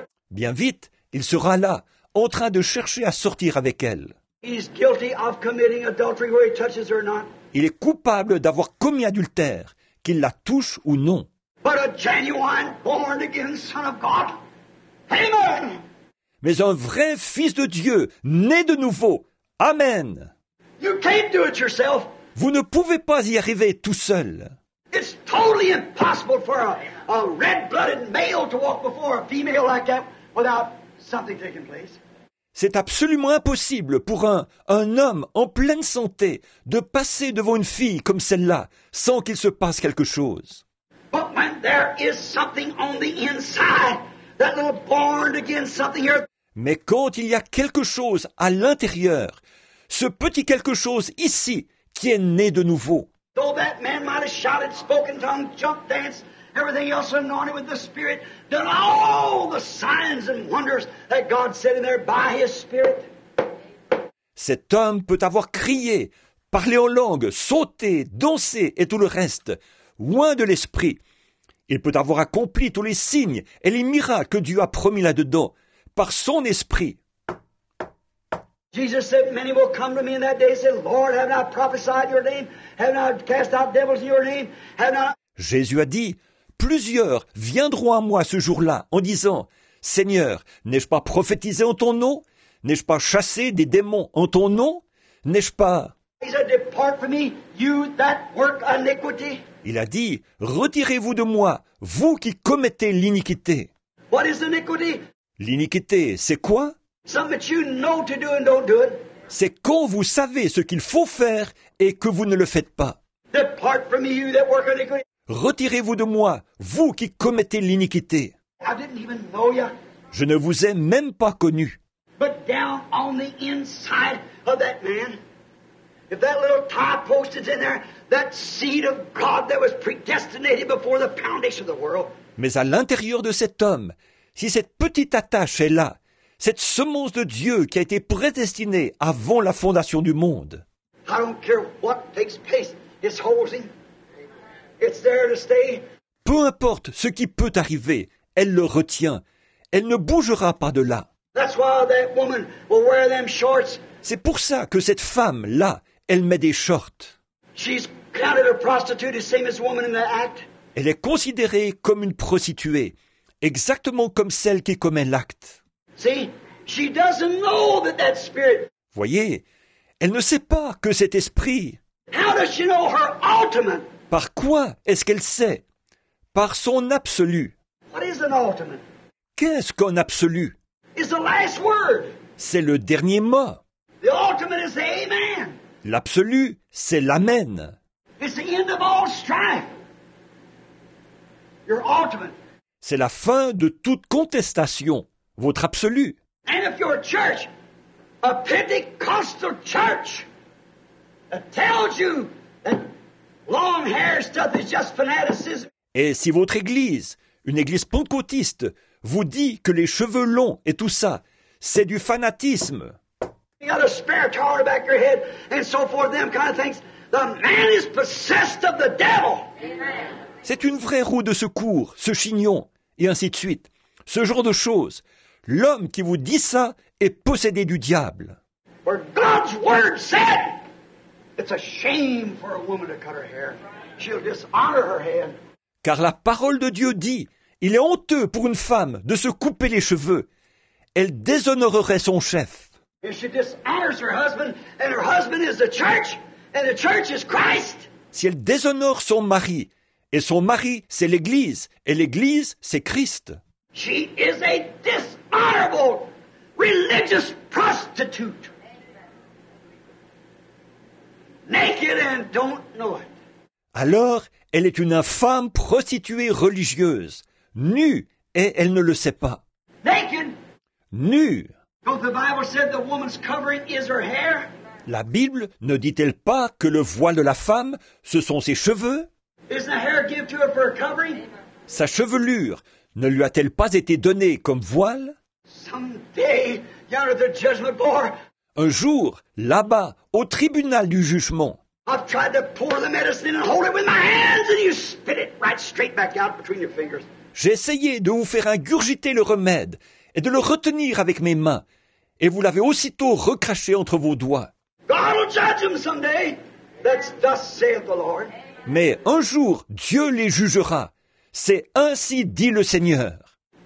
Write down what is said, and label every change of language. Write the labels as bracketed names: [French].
[French] Bien vite, il sera là, en train de chercher à sortir avec elle. [English] He's guilty of committing adultery where he touches her not. [French] Il est coupable d'avoir commis adultère, qu'il la touche ou non. [English] But a genuine born-again son of God. Amen. [French] Mais un vrai fils de Dieu, né de nouveau. Amen. [English] You can't do it yourself. [French] Vous ne pouvez pas y arriver tout seul. [English] It's totally impossible for a red-blooded male to walk before a female like that without something taking place. [French] C'est absolument impossible pour un homme en pleine santé de passer devant une fille comme celle-là sans qu'il se passe quelque chose. [English] But when there is something on the inside, that little born again something here. [French] Mais quand il y a quelque chose à l'intérieur, ce petit quelque chose ici qui est né de nouveau. [English] Though that man might have shouted, spoken tongue, jumped, danced, everything else anointed with the Spirit, done all the signs and wonders that God said in there by His Spirit. [French] Cet homme peut avoir crié, parlé en langue, sauté, dansé et tout le reste, loin de l'Esprit. Il peut avoir accompli tous les signes et les miracles que Dieu a promis là-dedans, par son Esprit. [English] Jesus said, many will come to me in that day and say, Lord, have not prophesied your name? Have not cast out devils in your name? Have not... [French] Jésus a dit, plusieurs viendront à moi ce jour-là en disant, Seigneur, n'ai-je pas prophétisé en ton nom? N'ai-je pas chassé des démons en ton nom? N'ai-je pas... [English] He said, depart from me, you that work iniquity. [French] Il a dit, retirez-vous de moi, vous qui commettez l'iniquité. [English] What is iniquity? [French] L'iniquité, c'est quoi? [English] Something that you know to do and don't do it. [French] C'est quand vous savez ce qu'il faut faire et que vous ne le faites pas. [English] Depart from me, you that work iniquity. [French] Retirez-vous de moi, vous qui commettez l'iniquité. [English] I didn't even know you. [French] Je ne vous ai même pas connu. [English] But down on the inside of that man, if that little tie post is in there, that seed of God that was predestinated before the foundation of the world. [French] Mais à l'intérieur de cet homme, si cette petite attache est là, cette semence de Dieu qui a été prédestinée avant la fondation du monde. [English] I don't care what takes place. It's holding. It's there to stay. [French] Peu importe ce qui peut arriver, elle le retient. Elle ne bougera pas de là. [English] That's why that woman will wear them shorts. [French] C'est pour ça que cette femme, là, elle met des shorts. [English] She's counted a prostitute the same as the woman in the act. [French] Elle est considérée comme une prostituée, exactement comme celle qui commet l'acte. [English] See, she doesn't know that that spirit. [French] Voyez, elle ne sait pas que cet esprit. [English] How does she know her ultimate? [French] Par quoi est-ce qu'elle sait? Par son absolu. [English] What is an ultimate? [French] Qu'est-ce qu'un absolu? [English] It's the last word. [French] C'est le dernier mot. [English] The ultimate is the amen. [French] L'absolu, c'est l'amen. [English] It's the end of all strife. Your ultimate. [French] C'est la fin de toute contestation, votre absolu. [English] And if your church, a Pentecostal church, that tells you that long hair stuff is just fanaticism. [French] Et si votre église, une église pentecôtiste, vous dit que les cheveux longs et tout ça, c'est du fanatisme. [English] You got a spare tower back your head and so forth, them kind of things. The man is possessed of the devil. Amen. [French] C'est une vraie roue de secours, ce chignon, et ainsi de suite. Ce genre de choses. L'homme qui vous dit ça est possédé du diable. [English] Where God's word said, it's a shame for a woman to cut her hair. She'll dishonor her head. [French] Car la parole de Dieu dit, il est honteux pour une femme de se couper les cheveux. Elle déshonorerait son chef. [English] If she dishonors her husband, and her husband is the church, and the church is Christ. [French] Si elle déshonore son mari, et son mari, c'est l'Église. Et l'Église, c'est Christ. [English] She is a dishonorable religious prostitute. Naked and don't know it. [French] Alors, elle est une infâme prostituée religieuse. Nue, et elle ne le sait pas. [English] Naked. [French] Nue. [English] Don't the Bible said the woman's covering is her hair? [French] La Bible ne dit-elle pas que le voile de la femme, ce sont ses cheveux? [English] Isn't the hair given to her for a covering? [French] Sa chevelure ne lui a-t-elle pas été donnée comme voile? [English] Someday, yonder the judgment board. [French] Un jour, là-bas, au tribunal du jugement. [English] I've tried to pour the medicine and hold it with my hands, and you spit it right straight back out between your fingers. [French] J'ai essayé de vous faire ingurgiter le remède et de le retenir avec mes mains, et vous l'avez aussitôt recraché entre vos doigts. [English] God will judge him someday. That's thus saith the Lord. [French] Mais un jour, Dieu les jugera. C'est ainsi dit le Seigneur.